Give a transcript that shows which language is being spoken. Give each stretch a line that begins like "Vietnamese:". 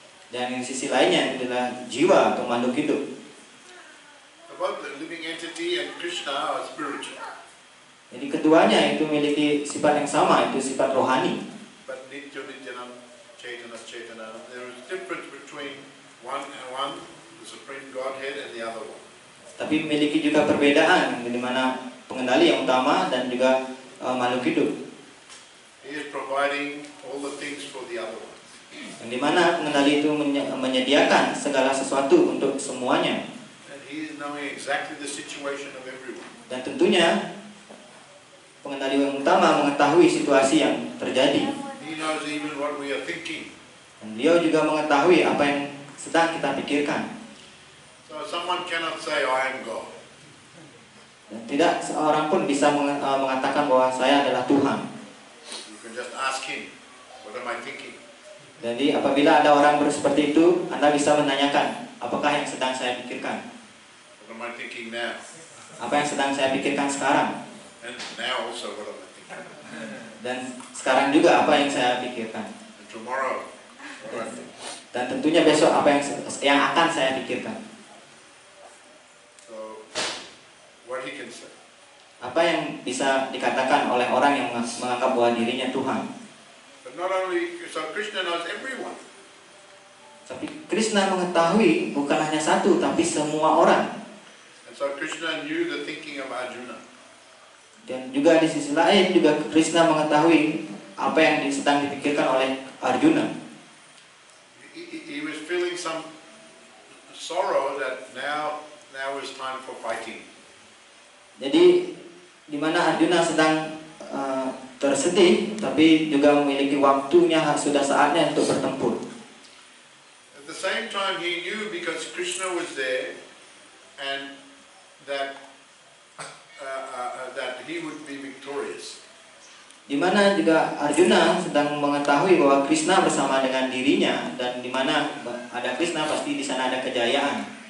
Indonesian: Dan yang sisi lainnya adalah jiwa atau makhluk hidup.
English: About the living entity and Krishna are spiritual.
Indonesian: Jadi keduanya itu memiliki sifat yang sama, itu sifat rohani.
English: But
Sanskrit: nitya nityanam chaitana chaitana,
English: there is difference between one, the supreme Godhead, and the other one.
Indonesian: Tapi memiliki juga perbedaan di mana pengendali yang utama dan juga makhluk hidup.
English: He is providing all the things for the other ones.
Indonesian: Yang di mana pengendali itu menyediakan segala sesuatu untuk semuanya.
English: And he is knowing exactly the situation of everyone.
Indonesian: Dan tentunya pengendali yang utama mengetahui situasi yang terjadi.
English: He knows even what we are thinking.
Indonesian: Dan beliau juga mengetahui apa yang sedang kita pikirkan.
English: Someone cannot say I am God.
Indonesian: Tidak seorang pun bisa mengatakan bahwa saya adalah Tuhan.
English: You can just ask him, what am I thinking?
Indonesian: Jadi apabila ada orang seperti itu, Anda bisa menanyakan, apakah yang sedang saya pikirkan?
English: What am I thinking now?
Indonesian: Apa yang sedang saya pikirkan sekarang?
English: And now also what am I thinking?
Indonesian: Dan sekarang juga apa yang saya pikirkan?
English: And tomorrow.
Indonesian: Dan tentunya besok apa yang akan saya pikirkan?
English: What he can say.
Indonesian: Apa yang bisa dikatakan oleh orang yang menganggap bahwa dirinya Tuhan?
English: But not only so Krishna knows everyone.
Indonesian: Tapi Krishna mengetahui bukan hanya satu, tapi semua orang.
English: And so Krishna knew the thinking of Arjuna.
Indonesian: Dan juga di sisi lain juga Krishna mengetahui apa yang sedang dipikirkan oleh Arjuna.
English: He was feeling some sorrow that now is time for fighting.
Indonesian: Jadi di mana Arjuna sedang tersedih, tapi juga memiliki waktunya sudah saatnya untuk bertempur.
English: At the same time he knew because Krishna was there and that he would be victorious.
Indonesian: Di mana juga Arjuna sedang mengetahui bahwa Krishna bersama dengan dirinya dan di mana ada Krishna pasti di sana ada kejayaan.